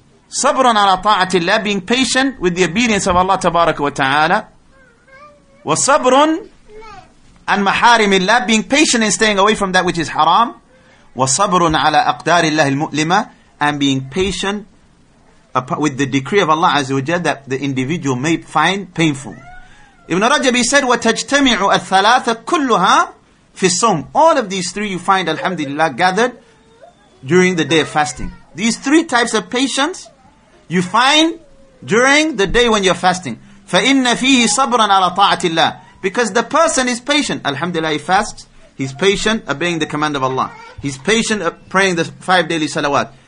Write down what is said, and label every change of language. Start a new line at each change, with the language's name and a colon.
Arabic: صَبْرًا عَلَى طَاعَةِ اللَّهِ,
English: being patient with the obedience of Allah
Arabic: تَبَارَكَ وَتَعَالَى. وَالصَّبْرٌ عَنْ مَحَارِمِ اللَّهِ,
English: being patient in staying away from that which is haram.
Arabic: وَالصَّبْرٌ عَلَى أَقْدَارِ اللَّهِ الْمُؤْلِمَةِ,
English: and being patient with the decree of Allah Azza wa Jalla that the individual may find painful. Ibn Rajab, he said,
Arabic: وَتَجْتَمِعُ الثَّلَاثَ كُلُّهَا فِي الصَّوْمِ.
English: All of these three you find, alhamdulillah, gathered during the day of fasting. These three types of patience you find during the day when you're fasting.
Arabic: فَإِنَّ فِيهِ صَبْرًا عَلَى طَاعَةِ اللَّهِ.
English: Because the person is patient. Alhamdulillah, he fasts. He's patient obeying the command of Allah. He's patient praying the five daily salawat.